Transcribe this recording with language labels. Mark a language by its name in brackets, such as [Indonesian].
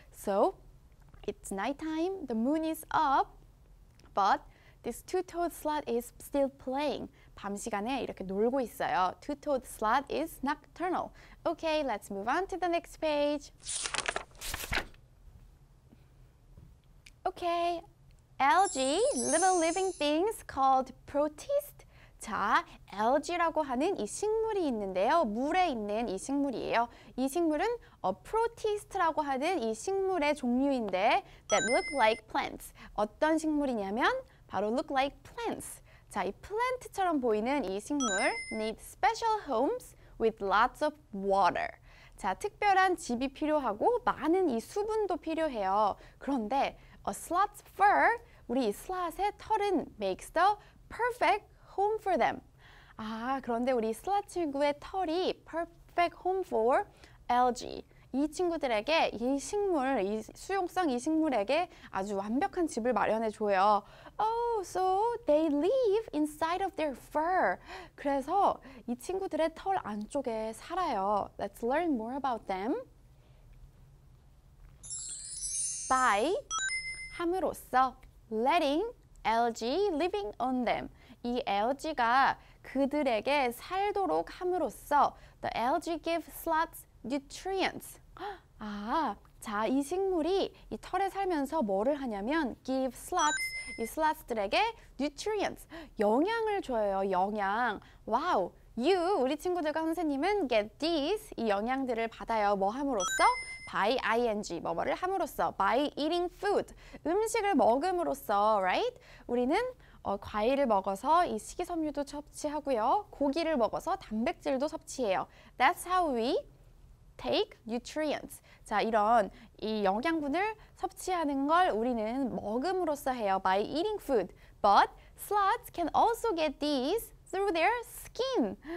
[English] So it's nighttime, the moon is up, but this two-toed sloth is still playing. [Korean] 밤 시간에 이렇게 놀고 있어요. [English] Two-toed sloth is nocturnal. Okay, let's move on to the next page. Okay, algae, little living things called protists. [Korean] 자, algae라고 하는 이 식물이 있는데요. 물에 있는 이 식물이에요. 이 식물은 protist라고 하는 이 식물의 종류인데 [English] that look like plants. [Korean] 어떤 식물이냐면 바로 [English] look like plants. [Korean] 자, 이 plant처럼 보이는 이 식물 [English] need special homes with lots of water. [Korean] 자, 특별한 집이 필요하고 많은 이 수분도 필요해요. 그런데 [English] a sloth's fur, [Korean] 우리 sloth의 털은 [English] makes the perfect home for them. [Korean] 아, 그런데 우리 sloth 친구의 털이 [English] perfect home for algae. [Korean] 이 친구들에게 이 식물, 이 수용성 이 식물에게 아주 완벽한 집을 마련해 줘요. [English] Oh, so they live inside of their fur. [Korean] 그래서 이 친구들의 털 안쪽에 살아요. [English] Let's learn more about them. By 함으로써 letting algae living on them. [Korean] 이 algae가 그들에게 살도록 함으로써 [English] the algae give sloths nutrients. [Korean] 아, 자, 이 식물이 이 털에 살면서 뭐를 하냐면 [English] give sloths, [Korean] 이 sloths들에게 nutrients, 영양을 줘요, 영양. 와우, you, 우리 친구들과 선생님은 [English] get these, [Korean] 이 영양들을 받아요. 뭐 함으로써? [English] By ing, [Korean] 뭐뭐를 함으로써? [English] By eating food, [Korean] 음식을 먹음으로써, [English] right? [Korean] 우리는 과일을 먹어서 이 식이섬유도 섭취하고요. 고기를 먹어서 단백질도 섭취해요. [English] That's how we take nutrients. [Korean] 자, 이런 이 영양분을 섭취하는 걸 우리는 먹음으로써 해요. [English] By eating food. But sloths can also get these through their skin.